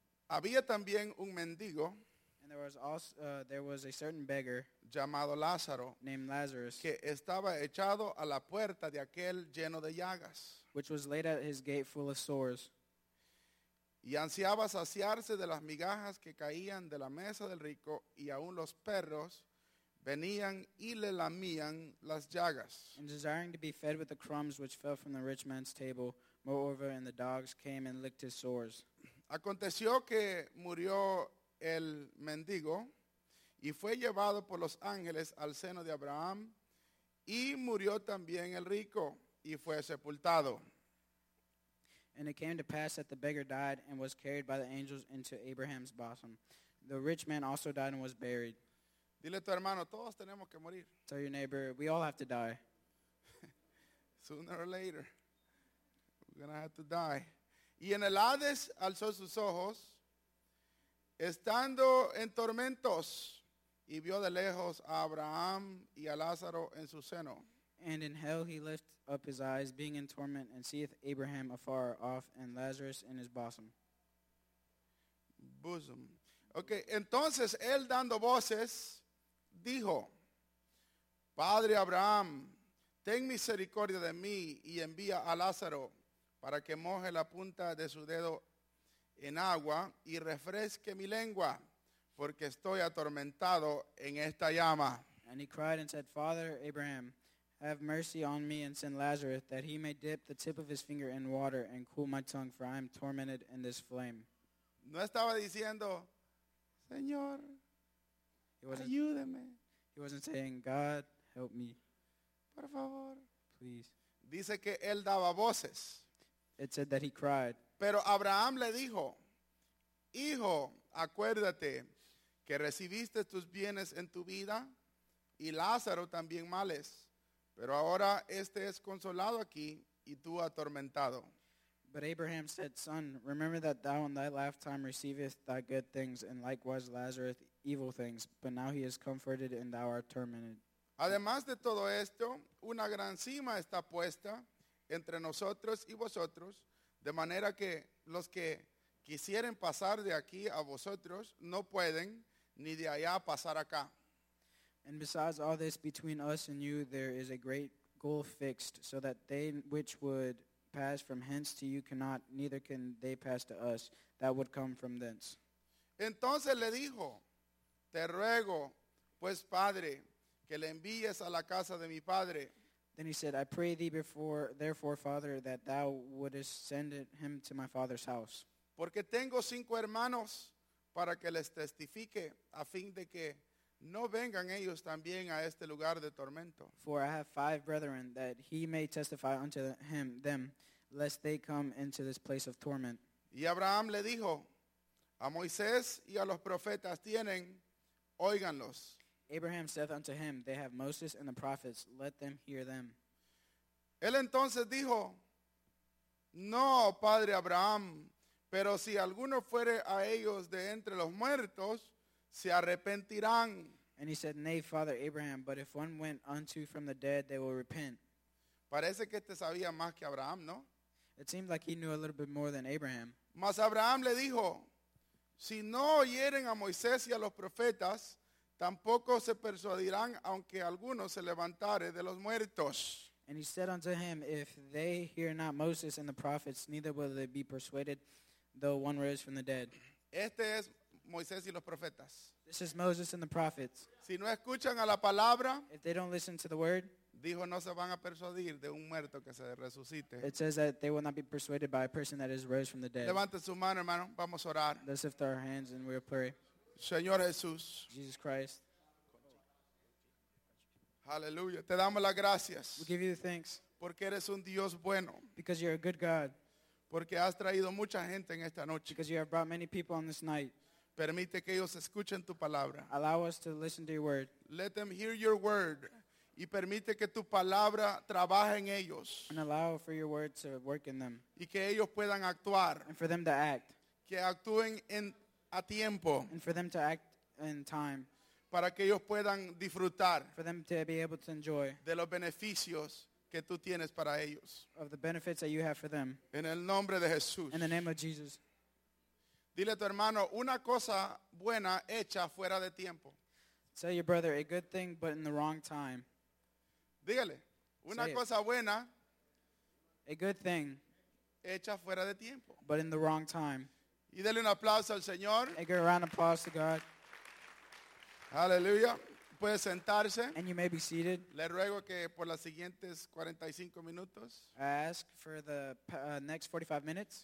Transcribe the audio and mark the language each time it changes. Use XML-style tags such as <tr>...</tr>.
<es>Había también un mendigo.</es> <en>And there was also there was a certain beggar</en> <es>llamado Lázaro,</es> <en>named Lazarus,</en> <es>que estaba echado a la puerta de aquel lleno de llagas,</es> <en>which was laid at his gate full of sores,</en> <es>y ansiaba saciarse de las migajas que caían de la mesa del rico, y aun los perros venían y le lamían las llagas,</es> <en>and desiring to be fed with the crumbs which fell from the rich man's table, moreover, and the dogs came and licked his sores.</en> <es>Aconteció que murió el mendigo y fue llevado por los ángeles al seno de Abraham, y murió también el rico y fue sepultado.</es> <en>And it came to pass that the beggar died and was carried by the angels into Abraham's bosom. The rich man also died and was buried.</en> <es>Dile a tu hermano, todos tenemos que morir.</es> <en>Tell your neighbor, we all have to die. Sooner or later, we're going to have to die.</en> <es>Y en el Hades alzó sus ojos, estando en tormentos, y vio de lejos a Abraham y a Lázaro en su seno.</es> <en>And in hell he lifted up his eyes, being in torment, and seeth Abraham afar off, and Lazarus in his bosom. Bosom.</en> <es>Okay, entonces él dando voces, dijo, Padre Abraham, ten misericordia de mí, y envía a Lázaro, para que moje la punta de su dedo en agua y refresque mi lengua, porque estoy atormentado en esta llama.</es> <en>And he cried and said, Father Abraham, have mercy on me and send Lazarus, that he may dip the tip of his finger in water and cool my tongue, for I am tormented in this flame.</en> <es>No estaba diciendo, Señor, ayúdeme.</es> <en>He wasn't saying, God, help me.</en> <es>Por favor.</es> <en>Please.</en> <es>Dice que él daba voces.</es> <en>It said that he cried.</en> <es>Pero Abraham le dijo, Hijo, acuérdate que recibiste tus bienes en tu vida y Lázaro también males, pero ahora este es consolado aquí y tú atormentado.</es> <en>But Abraham said, Son, remember that thou in thy lifetime receivest thy good things and likewise Lazarus evil things, but now he is comforted and thou art tormented.</en> <es>Además de todo esto, una gran cima está puesta entre nosotros y vosotros, de manera que los que quisieren pasar de aquí a vosotros no pueden ni de allá pasar acá.</es> <en>And besides all this, between us and you there is a great gulf fixed, so that they which would pass from hence to you cannot, neither can they pass to us that would come from thence.</en> <es>Entonces le dijo, te ruego pues, padre, que le envíes a la casa de mi padre.</es> <en>Then he said, I pray thee before, therefore, Father, that thou wouldest send him to my father's house.</en> <es>Porque tengo cinco hermanos para que les testifique, a fin de que no vengan ellos también a este lugar de tormento.</es> <en>For I have five brethren, that he may testify unto them, lest they come into this place of torment.</en> <es>Y Abraham le dijo, A Moisés y a los profetas tienen, óiganlos.</es> <en>Abraham said unto him, they have Moses and the prophets, let them hear them.</en> <es>Él entonces dijo, no, padre Abraham, pero si alguno fuere a ellos de entre los muertos, se arrepentirán.</es> <en>And he said, nay, father Abraham, but if one went unto from the dead, they will repent.</en> <es>Parece que este sabía más que Abraham, ¿no?</es> <en>It seemed like he knew a little bit more than Abraham.</en> <es>Mas Abraham le dijo, si no oyeren a Moisés y a los profetas, tampoco se persuadirán aunque alguno se levantare de los muertos.</es> <en>And he said unto him, if they hear not Moses and the prophets, neither will they be persuaded, though one rose from the dead.</en> <es>Este es Moisés y los profetas.</es> <en>This is Moses and the prophets.</en> <es>Si no escuchan a la palabra,</es> <en>if they don't listen to the word,</en> <es>dijo, no se van a persuadir de un muerto que se resucite.</es> <en>It says that they will not be persuaded by a person that is rose from the dead.</en> <es>Levanten su mano, hermano. Vamos a orar.</es> <en>Let's lift our hands and we'll pray.</en> <es>Señor Jesús.</es> <en>Jesus Christ.</en> <es>Hallelujah. Te damos las gracias.</es> <en>We give you the thanks.</en> <es>Porque eres un Dios bueno.</es> <en>Because you're a good God.</en> <es>Porque has traído mucha gente en esta noche.</es> <en>Because you have brought many people on this night.</en> <es>Permite que ellos escuchen tu palabra.</es> <en>Allow us to listen to your word. Let them hear your word.</en> <es>Y permite que tu palabra trabaje en ellos.</es> <en>And allow for your word to work in them.</en> <es>Y que ellos puedan actuar.</es> <en>And for them to act.</en> <es>Que actúen en a tiempo.</es> <en>And for them to act in time.</en> <es>Para que ellos puedan disfrutar.</es> <en>For them to be able to enjoy.</en> <es>De los beneficios que tú tienes para ellos.</es> <en>Of the benefits that you have for them.</en> <es>En el nombre de Jesús.</es> <en>In the name of Jesus.</en> <es>Dile a tu hermano, una cosa buena hecha fuera de tiempo.</es> <en>Tell your brother, a good thing but in the wrong time.</en> <es>Dígale, una cosa buena,</es> <en>a good thing,</en> <es>hecha fuera de tiempo,</es> <en>but in the wrong time.</en> <es>Y dele un aplauso al Señor.</es> <en>And give a round of applause to God.</en> <es>Hallelujah. Puede sentarse.</es> <en>And you may be seated.</en> <es>Le ruego que por las siguientes 45 minutos,</es> <en>I ask for the next 45 minutes,</en>